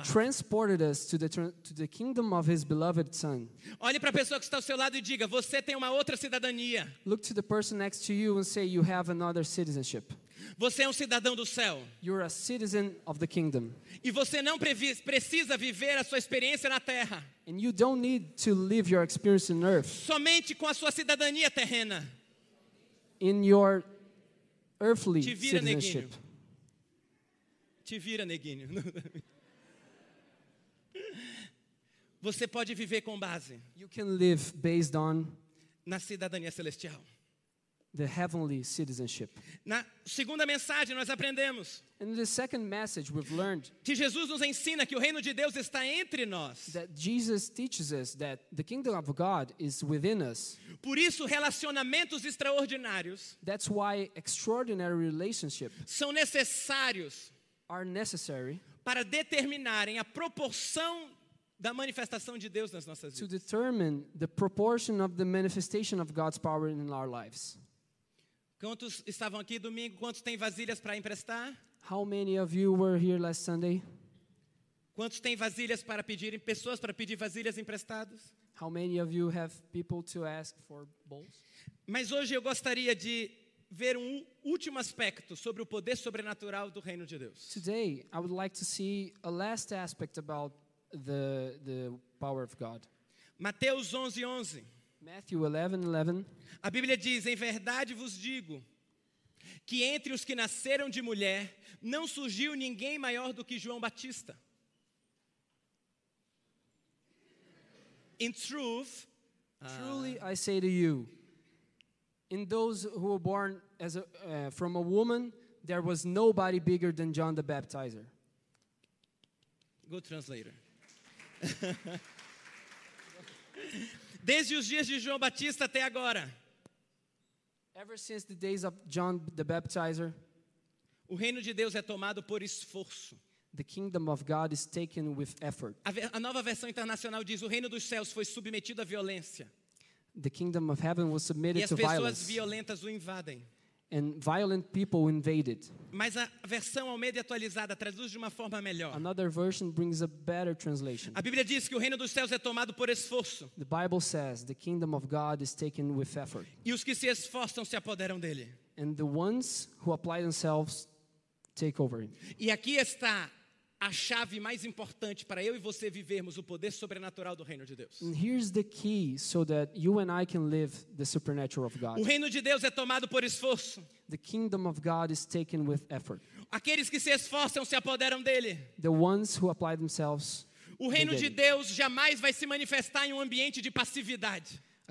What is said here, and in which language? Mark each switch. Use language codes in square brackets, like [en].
[en] And transported us to the kingdom of his beloved son. [pt] Olhe para a pessoa que está ao seu lado e diga: você tem uma outra cidadania. [en] Look to the person next to you and say you have another citizenship. [pt] Você é um cidadão do céu. [en] You're a citizen of the kingdom. [pt] E você não precisa viver a sua experiência na terra. [en] And you don't need to live your experience on earth. [pt] Somente com a sua cidadania terrena. [en] In your earthly citizenship. [pt] Te vira, neguinho. Você pode viver com base. [en] You can live based on [pt] na cidadania celestial. [en] The heavenly citizenship. [pt] Na segunda mensagem nós aprendemos. [en] In the second message we've learned. [pt] Que Jesus nos ensina que o reino de Deus está entre nós. [en] That Jesus teaches us that the kingdom of God is within us. [pt] Por isso relacionamentos extraordinários. [en] That's why extraordinary relationships. [pt] São necessários. [en] Are necessary. [pt] Para determinarem a proporção da manifestação de Deus nas nossas vidas. [en] To determine the proportion of the manifestation of God's power in our lives. [pt] Quantos estavam aqui domingo? Quantos têm vasilhas para emprestar? [en] How many of you were here last Sunday? [pt] Quantos têm vasilhas para pedir, pessoas para pedir vasilhas emprestadas? [en] How many of you have people to ask for bowls? [pt] Mas hoje eu gostaria de ver um último aspecto sobre o poder sobrenatural do reino de Deus. [en] Today, I would like to see a last aspect about the power of God. [pt] Mateus 11, 11. [en] Matthew 11, 11. [pt] A Bíblia diz: em verdade vos digo que entre os que nasceram de mulher não surgiu ninguém maior do que João Batista. [en] In truth, truly I say to you, in those who were born as a, from a woman, there was nobody bigger than John the Baptizer. Good translator. [pt] Desde os dias de João Batista até agora. [en] Ever since the days of John the Baptizer. [pt] O reino de Deus é tomado por esforço. [en] The kingdom of God is taken with effort. [pt] A nova versão internacional diz: o reino dos céus foi submetido à violência. [en] The kingdom of heaven was submitted to violence. [pt] E as pessoas violentas o invadem. [en] And violent people invaded. [pt] Mas a versão Almeida atualizada traduz de uma forma melhor. [en] Another version brings a better translation. [pt] A Bíblia diz que o reino dos céus é tomado por esforço. [en] The Bible says the kingdom of God is taken with effort. [pt] E os que se esforçam se apoderam dele. [en] And the ones who apply themselves take over him. [pt] E aqui está a chave mais importante para eu e você vivermos o poder sobrenatural do reino de Deus. [en] And here's the key so that you and I can live the supernatural of God. [pt] O reino de Deus é tomado por esforço. [en] The kingdom of God is taken with effort. [pt] Aqueles que se esforçam se apoderam dele. [en] The ones who apply themselves. [pt] O reino de Deus jamais vai se manifestar em um ambiente de passividade.